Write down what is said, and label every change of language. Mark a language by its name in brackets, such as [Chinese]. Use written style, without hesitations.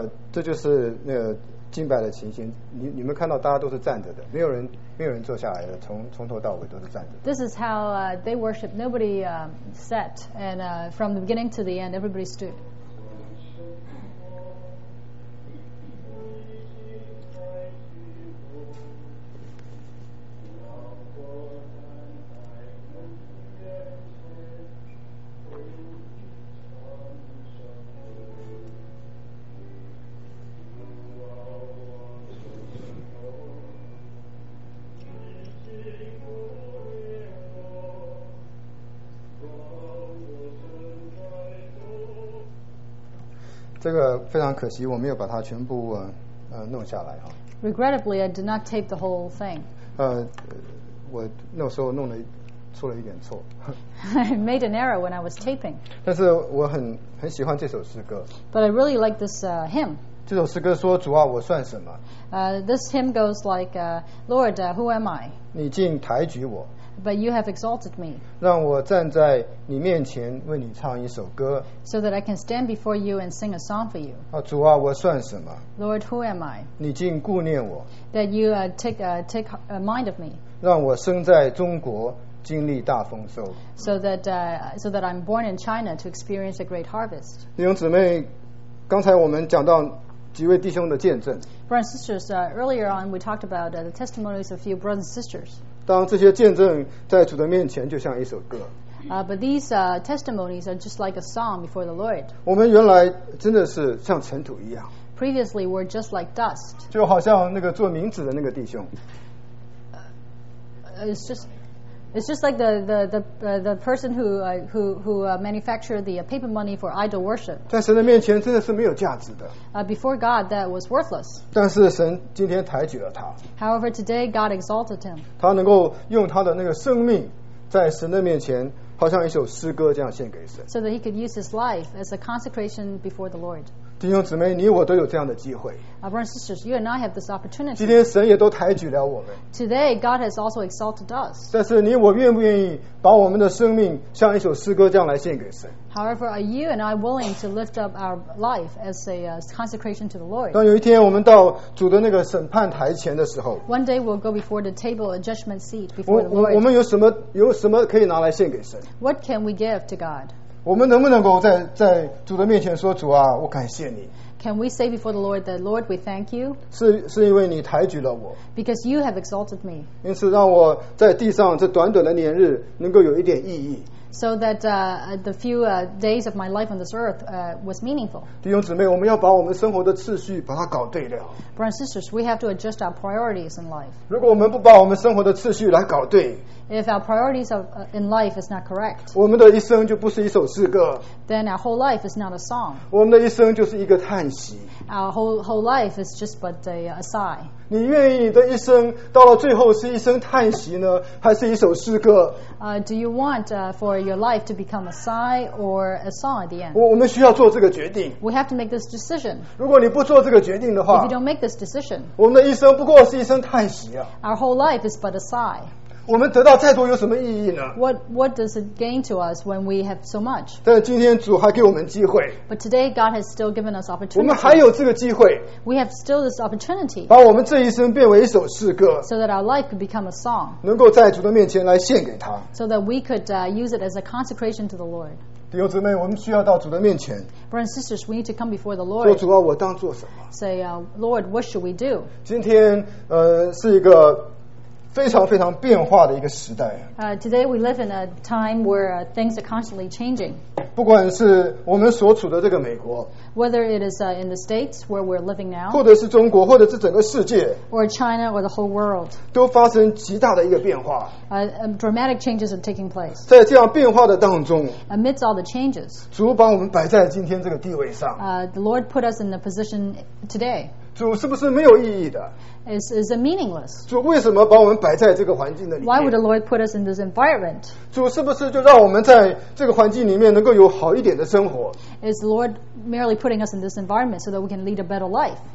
[Chinese] 这就是那个敬拜的情形，你们看到大家都是站着的，没有人坐下来的，从头到尾都是站着的。 [English] This is how they worship. Nobody sat, and from the beginning to the end, everybody stood. [Chinese] 这个非常可惜，我没有把它全部弄下来哈。 [English] Regrettably, I did not tape the whole thing. [Chinese] 我那时候弄了，出了一点错。 [English] I made an error when I was taping. [Chinese] 但是我很喜欢这首诗歌。 [English] But I really like this hymn. [Chinese] 这首诗歌说：“主啊，我算什么？” [English] This hymn goes like, "Lord, who am I?" [Chinese] 你竟抬举我。 [English] But you have exalted me. [Chinese] 让我站在你面前为你唱一首歌。 [English] So that I can stand before you and sing a song for you. [Chinese] 主啊，我算什么？ [English] Lord, who am I? [Chinese] 你竟顾念我。 [English] That you take a mind of me. [Chinese] 让我生在中国，经历大丰收。 [English] So that I'm born in China to experience a great harvest. [Chinese] 弟兄姊妹，刚才我们讲到几位弟兄的见证。 [English] Brothers and sisters, earlier on we talked about the testimonies of a few brothers and sisters. [Chinese] 当这些见证在主的面前就像一首歌。 [English] But these testimonies are just like a song before the Lord. [Chinese] 我们原来真的是像尘土一样。 [English] Previously, we're just like dust. [Chinese] 就好像那个做名纸的那个弟兄。 [English] It's just like the person who manufactured the paper money for idol worship. [Chinese] 在神的面前真的是没有价值的。 [English] Before God, that was worthless. [Chinese] 但是神今天抬举了他。 [English] However, today God exalted him. [Chinese] 他能够用他的那个生命在神的面前好像一首诗歌这样献给神。 [English] So that he could use his life as a consecration before the Lord. [Chinese] 弟兄姊妹，你我都有这样的机会。 [English] Brothers and sisters, you and I have this opportunity. [Chinese] 今天神也都抬举了我们。 [English] Today, God has also exalted us. [Chinese] 但是你我愿不愿意把我们的生命像一首诗歌这样来献给神？ [English] However, are you and I willing to lift up our life as a consecration to the Lord? [Chinese] 当有一天我们到主的那个审判台前的时候 [English] ，One day we'll go before the table, a judgment seat before the Lord. [Chinese] 我们有什么可以拿来献给神 [English] ？What can we give to God? [Chinese] 我们能不能够 在主的面前说主啊我感谢你 [English] Can we say before the Lord that Lord we thank you [Chinese] 是因为你抬举了我 [English] Because you have exalted me [Chinese] 因此让我在地上这短短的年日能够有一点意义 [English] So that the few days of my life on this earth was meaningful [Chinese] 弟兄姊妹我们要把我们生活的次序把它搞对了 [English] Brothers and sisters we have to adjust our priorities in life [Chinese] 如果我们不把我们生活的次序来搞对 [English] If our priorities in life is not correct, [Chinese] 我们的一生就不是一首诗歌 [English] then our whole life is not a song. [Chinese] 我们的一生就是一个叹息 [English] Our whole life is just but a sigh. [Chinese] 你愿意你的一生到了最后是一声叹息呢，还是一首诗歌？ [English] Do you want for your life to become a sigh or a song at the end? [Chinese] 我们需要做这个决定。 [English] We have to make this decision. [Chinese] 如果你不做这个决定的话 [English] if you don't make this decision, [Chinese] 我们的一生不过是一声叹息啊。 [English] Our whole life is but a sigh. [Chinese] 我们得到再多有什么意义呢 [English] what does it gain to us when we have so much [Chinese] 但今天主还给我们机会 [English] but today God has still given us opportunity [Chinese] 我们还有这个机会 [English] we have still this opportunity [Chinese] 把我们这一生变为一首诗歌 [English] so that our life could become a song [Chinese] 能够在主的面前来献给他 [English] so that we could use it as a consecration to the Lord [Chinese] 弟兄姊妹，我们需要到主的面前。 [English] Brothers and sisters, we need to come before the Lord. [Chinese] 说主啊，我当做什么 [English] ？Say, Lord, what should we do? [Chinese] 今天是一个非常非常变化的一个时代。 [English] Today we live in a time where things are constantly changing. [Chinese] 不管是我们所处的这个美国 [English] ，whether it is in the states where we're living now， [Chinese] 或者是中国，或者是整个世界 [English] ，or China or the whole world， [Chinese] 都发生极大的一个变化。 [English] Dramatic changes are taking place. [Chinese] 在这样变化的当中 [English] ，amidst all the changes， [Chinese] 主把我们摆在今天这个地位上。 [English] The Lord put us in the position today. [Chinese] 主是不是没有意义的 [English] is it meaningless? [Chinese] 主为什么把我们摆在这个环境的里面 [English] Why would the Lord put us in this environment? [Chinese] 主是不是就让我们在这个环境里面能够有好一点的生活 [English] Is the Lord merely putting us in this environment so that we can lead a better life?